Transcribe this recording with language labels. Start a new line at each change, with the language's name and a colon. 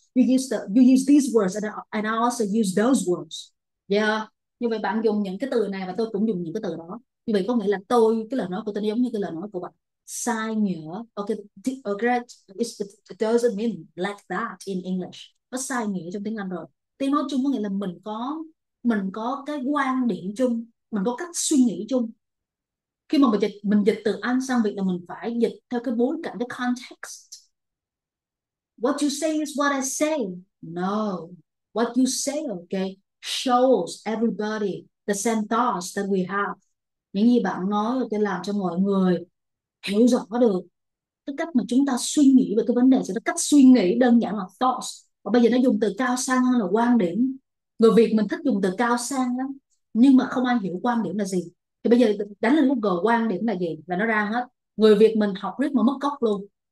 English: You use these words and I also use those words. Yeah.
Vietnamese: Như vậy bạn dùng những cái từ này và tôi cũng dùng những cái từ đó. Như vậy có nghĩa là tôi, cái lời nói của tôi giống như cái lời nói của bạn. Sai nghĩa.
English: Okay, it doesn't mean like that in English.
Vietnamese: Nó sai nghĩa trong tiếng Anh rồi. Tiếng nói chung có nghĩa là mình có cái quan điểm chung, mình có cách suy nghĩ chung. Khi mà mình dịch từ Anh sang Việt là mình phải dịch theo cái bối cảnh, cái context.
English: What you say is what I say. No. What you say, okay, shows everybody the same thoughts that we have.
Vietnamese: Những gì bạn nói là cái làm cho mọi người hiểu rõ được cái cách mà chúng ta suy nghĩ về cái vấn đề, sẽ là cách suy nghĩ đơn giản là thoughts. Và bây giờ nó dùng từ cao sang hơn là quan điểm. Người Việt mình thích dùng từ cao sang lắm, nhưng mà không ai hiểu quan điểm là gì. Thì bây giờ đánh lên Google quan điểm là gì là nó ra hết. Người Việt mình học riết mà mất gốc luôn.